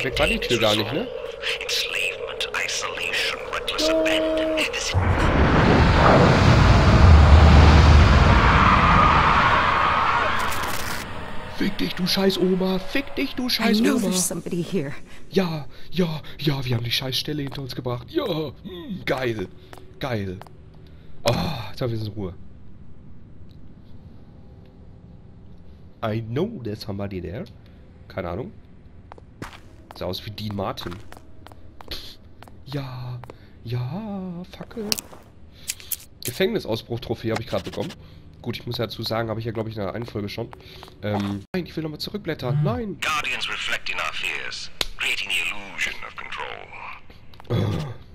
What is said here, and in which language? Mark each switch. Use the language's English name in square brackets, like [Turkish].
[English] to contain its resolve. Ne? Enslavement, isolation, reckless abandon, and this... [German] Fick dich, du scheiß Oma! Fick dich, du scheiß Oma! [English] I know there's somebody here. [German] Ja, ja, ja, wir haben die scheiß Stelle hinter uns gebracht. Ja, geil, geil. Ah, jetzt haben wir in Ruhe. [English] I know there's somebody there. [German] Keine Ahnung. Sieht aus wie Dean Martin. Ja, ja, Fackel. Gefängnisausbruch-Trophäe habe ich gerade bekommen. Gut, ich muss dazu sagen, habe ich ja, glaube ich, in einer Einfolge schon. Nein, ich will nochmal zurückblättern. Mhm. Nein! [English] Guardians reflecting our fears, creating the illusion of control.